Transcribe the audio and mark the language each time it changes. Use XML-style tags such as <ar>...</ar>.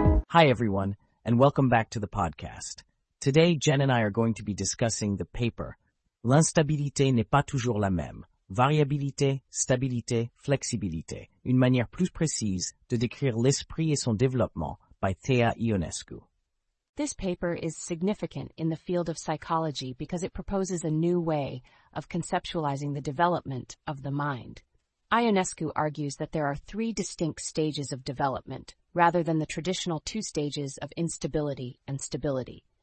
<en>Hi, everyone, and welcome back to the podcast. Today, Jen and I are going to be discussing the paper,</en> <fr>L'instabilité n'est pas toujours la même. Variabilité, stabilité, flexibilité. Une manière plus précise de décrire l'esprit et son développement by Thea Ionescu.</fr> <en>This paper is significant in the field of psychology because it proposes a new way of conceptualizing the development of the mind. Ionescu argues that there are three distinct stages of development, rather than the traditional two stages of instability and stability.</en>